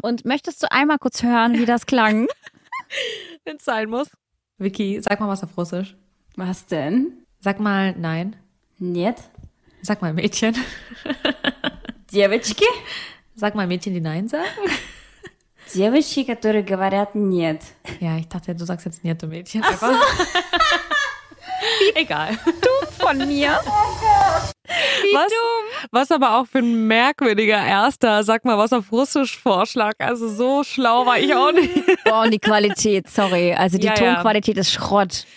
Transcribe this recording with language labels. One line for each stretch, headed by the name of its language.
German: Und möchtest du einmal kurz hören, wie das klang? Wenn es sein muss. Vicky, sag mal was auf Russisch. Was denn? Sag mal nein.
Russian: Нет.
German: Sag mal Mädchen.
Russian: Девочки.
German: Sag mal Mädchen, die nein sagen.
Russian: Девочки, которые говорят нет.
German: Ja, ich dachte, du sagst jetzt
Russian: нет,
German: du Mädchen. Ach so. Egal. Dumm von mir. Wie was, dumm. Was aber auch für ein merkwürdiger erster, sag mal, was auf Russisch Vorschlag. Also so schlau war ich auch nicht. Boah, und die Qualität, sorry. Also die Tonqualität ist Schrott.